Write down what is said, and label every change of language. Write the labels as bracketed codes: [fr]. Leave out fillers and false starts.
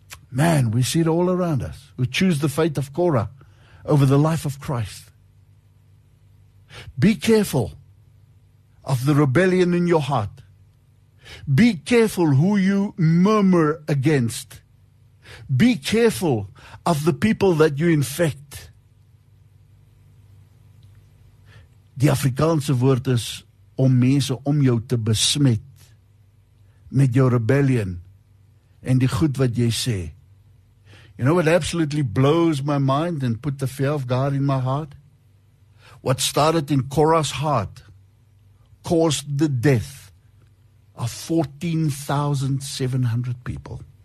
[en] Man, we see it all around us. We choose the fate of Korah over the life of Christ. Be careful of the rebellion in your heart. Be careful who you murmur against. Be careful of the people that you infect. [af] Die Afrikaanse woord is om mense om jou te besmet met jou rebellion en die goed wat jy sê. [en] You know what absolutely blows my mind and put the fear of God in my heart? What started in Korah's heart caused the death of 14,700 people.